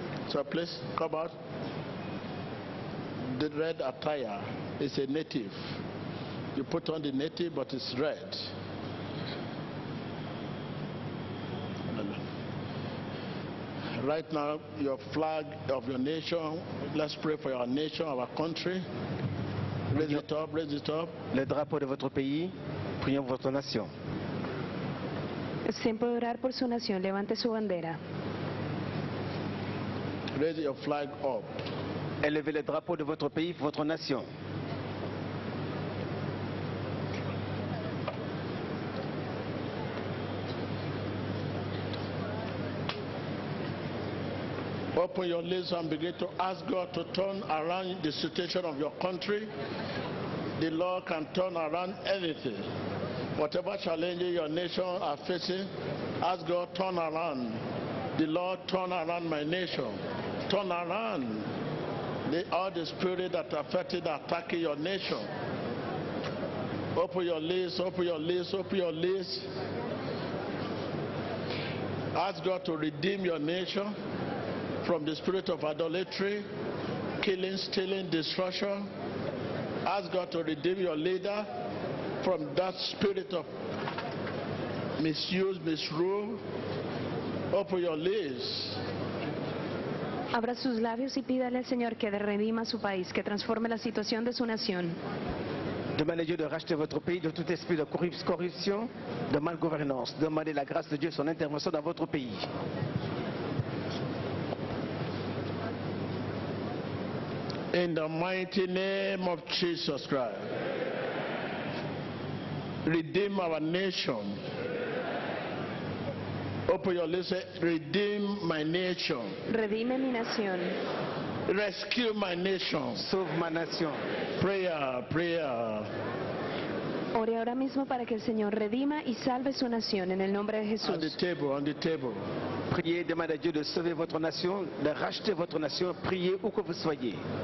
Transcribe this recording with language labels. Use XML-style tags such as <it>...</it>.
<en>So please come out. The red attire is a native. You put on the native, but it's red. Right now, your flag of your nation, let's pray for your nation, our country. Raise it up, raise it up.</en> <fr>Le drapeau de votre pays, prions votre nation.</fr> <es>Es tiempo de orar por su nación, levante su bandera.</es> <en>Raise your flag up.</en> <fr>Élevez le drapeau de votre pays, votre nation.</fr> <en>Open your lips and begin to ask God to turn around the situation of your country. The Lord can turn around anything. Whatever challenges your nation are facing, ask God, turn around. The Lord, turn around my nation. Turn around all the spirit that affected, attacking your nation. Open your lips, open your lips, open your lips. Ask God to redeem your nation from the spirit of idolatry, killing, stealing, destruction. Ask God to redeem your leader from that spirit of misuse, misrule. Open your lips.</en> <es>Abra sus labios y pídale al Señor que redima su país, que transforme la situación de su nación.</es> <fr>Demandez Dieu de racheter votre pays de tout esprit de corruption, de mal gouvernance. Demandez la grâce de Dieu, son intervention dans votre pays.</fr> <en>In the mighty name of Jesus Christ, redeem our nation. Open your lips, redeem my nation.</en> <es>Redime mi nación.</es> <en>Rescue my nation.</en> <fr>Sauve ma nation.</fr> <en>Prayer, prayer.</en> <es>Ore ahora mismo para que el Señor redima y salve su nación en el nombre de Jesús.</es> <en>On the table, on the table.</en> <fr>Priez, demandez à Dieu de sauver votre nation, de racheter votre nation, priez où que vous soyez.</fr>